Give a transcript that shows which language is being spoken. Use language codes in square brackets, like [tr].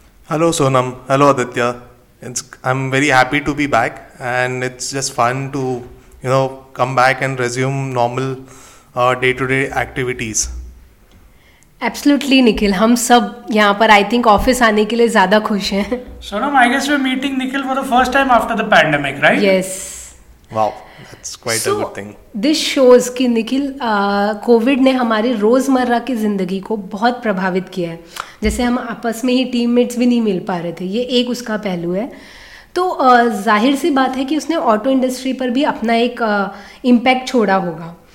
[en] Hello Sonam, hello Aditya, I am very happy to be back and it's just fun to you know come back and resume normal day-to-day activities. Absolutely, Nikhil. [hi] हम सब यहाँ पर [en] I think [hi] office आने के लिए ज्यादा खुश हैं। [en] Sonam, I guess we're meeting Nikhil for the first time after the pandemic, right? Yes. Wow, that's quite a good thing. This shows [hi] कि निखिल कोविड ने हमारी रोजमर्रा की जिंदगी को बहुत प्रभावित किया है। जैसे हम आपस में ही टीममेट्स भी नहीं मिल पा रहे थे, ये एक उसका पहलू है। तो जाहिर सी बात है कि उसने ऑटो इंडस्ट्री पर भी अपना एक इम्पैक्ट छोड़ा होगा।